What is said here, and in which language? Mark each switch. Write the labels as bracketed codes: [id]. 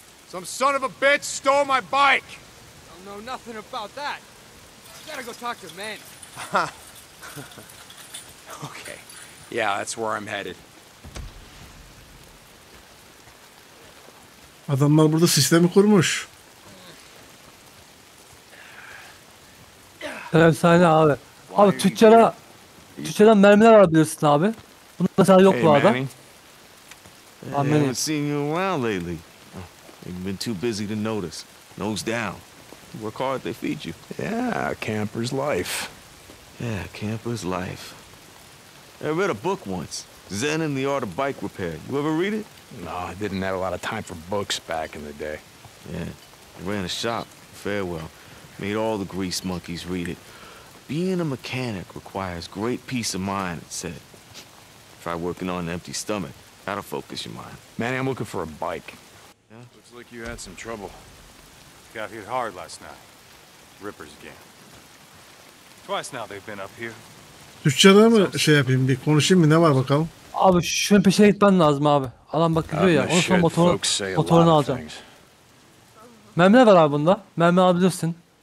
[en] Some son of a bitch stole my bike. I don't know nothing about that. Gotta go talk to men. Okay. Yeah, that's where I'm headed. [tr] Adamlar burada sistemi kurmuş. Efsane abi. Abi tüccara, tüccardan mermiler alabilirsin abi. Bunun da sana yok bu adam. [en] I haven't seen you around lately. You've been too busy to notice. Nose down. Work hard, they feed you. Yeah, camper's life. Yeah, camper's life. I read a book once, Zen and the Art of Bike Repair. You ever read it? No, I didn't have a lot of time for books back in the day. Yeah, I ran a shop, Farewell. Made all the grease monkeys read it. Being a mechanic requires great peace of mind, it said. Try working on an empty stomach. That'll focus your mind. Manny, I'm looking for a bike. Yeah? Looks like you had some trouble. Got hit hard last night. Rippers again. Twice now they've been up here. [tr] Tüccara mı şey yapayım, bir konuşayım mı, ne var bakalım? Abi şunun peşine gitmen lazım abi. Adam bakıyor ya, onun sonra motoru, motorunu alacağım. Mermiler var abi bunda. Mermi alabilirsin.